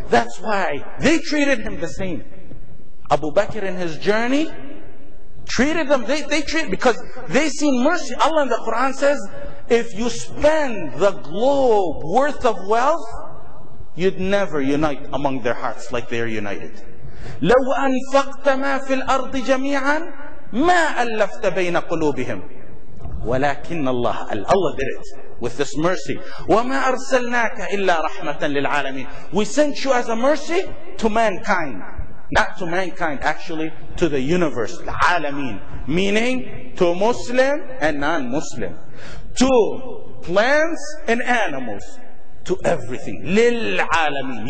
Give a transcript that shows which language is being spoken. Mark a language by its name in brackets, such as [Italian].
[English] That's why they treated him the same. Abu Bakr in his journey treated them. They treated because they seen mercy. Allah in the Quran says, if you spend the globe worth of wealth, you'd never unite among their hearts like they are united. [Arabic] لَوْ أَنْفَقْتَ مَا فِي الْأَرْضِ جَمِيعًا مَا أَلَّفْتَ بَيْنَ قُلُوبِهِمْ وَلَكِنَّ اللَّهَ [English] Allah did it with this mercy. [Arabic] وَمَا أَرْسَلْنَاكَ إِلَّا رَحْمَةً لِلْعَالَمِينَ [English] We sent you as a mercy to mankind. not to mankind, actually to the universe, العالمين, meaning to Muslim and non-Muslim, to plants and animals, to everything, للعالمين.